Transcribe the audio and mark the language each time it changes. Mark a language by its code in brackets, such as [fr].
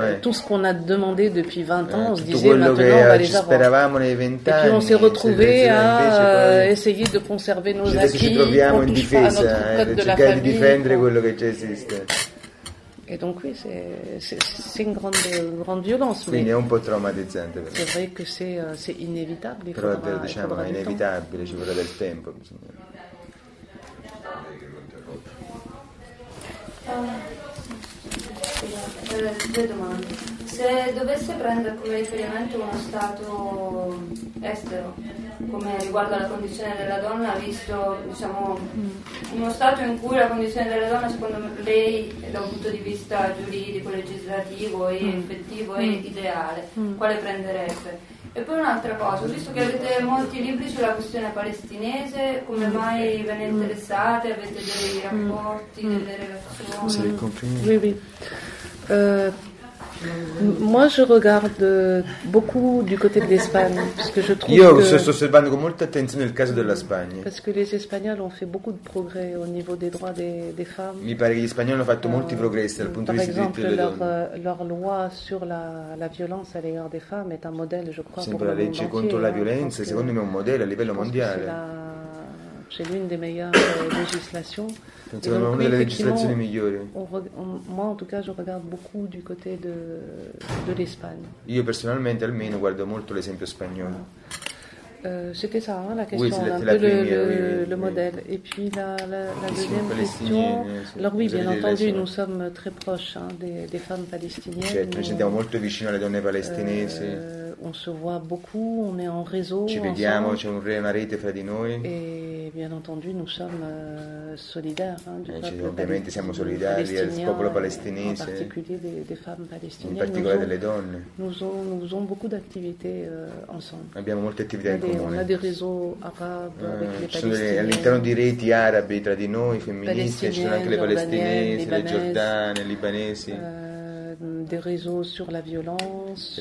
[fr] Tout ce qu'on a demandé depuis 20 ans, on se disait, maintenant, on va les [it] speravamo nei 20 anni. [fr] Et puis on s'est retrouvé à essayer de conserver nos acquis, [it] ci troviamo in difesa, cercare di difendere quello che già esiste. [fr] Et donc oui, c'est une grande violence. [it] Quindi è un po' traumatizzante. Però. [fr] C'est vrai que c'est inévitable. [it] Però diciamo, è inevitabile, ci vorrà del tempo. Bisogna. Due domande. se dovesse prendere come riferimento uno stato estero, come riguardo alla condizione della donna, visto diciamo, uno stato in cui la condizione della donna, secondo lei, da un punto di vista giuridico, legislativo, e effettivo e ideale, quale prenderebbe? E poi un'altra cosa, visto che avete molti libri sulla questione palestinese, come mai ve ne interessate? Avete dei rapporti, delle relazioni? [fr] Oui, oui. Moi je regarde beaucoup du côté de l'Espagne parce que je trouve [it] io sto osservando con molta attenzione il caso della Spagna. [fr] Parce que les Espagnols ont fait beaucoup de progrès au niveau des droits des femmes. [it] Mi pare che gli spagnoli hanno fatto molti progressi dal punto di vista dei diritti delle donne. [fr] Par exemple, leur loi sur la violence à l'égard des femmes est un modèle, je crois, [it] sempre la legge contro la violenza, hein, secondo me è un modello a livello mondiale. [fr] C'est l'une des meilleures législations. [it] Secondo me, una delle legislazioni migliori. [fr] Moi, en tout cas, je regarde beaucoup du côté de l'Espagne. [it] Io personalmente, almeno, guardo molto l'esempio spagnolo. [fr] C'était ça, hein, la question, oui, c'est la première, le modèle. Oui. Et puis la deuxième question. Alors oui, bien entendu, nous sommes très proches, hein, des femmes palestiniennes. [it] Certo, ci sentiamo molto vicino alle donne palestinesi. [fr] On se voit beaucoup, on est en réseau. [it] Ci vediamo, c'è una rete fra di noi. [fr] Et bien entendu, nous sommes solidaires. [it] Ovviamente siamo solidari al popolo palestinese. [fr] En particulier des femmes palestiniennes. [it] In particolare delle donne. [fr] Nous avons beaucoup d'activités ensemble. [it] Abbiamo molte attività in comune. [fr] On a des réseaux arabes avec les palestiniens. [it] All'interno di reti arabe tra di noi, femministe, ci sono anche le palestinesi, le giordane, libanesi. [fr] Des réseaux sur la violence,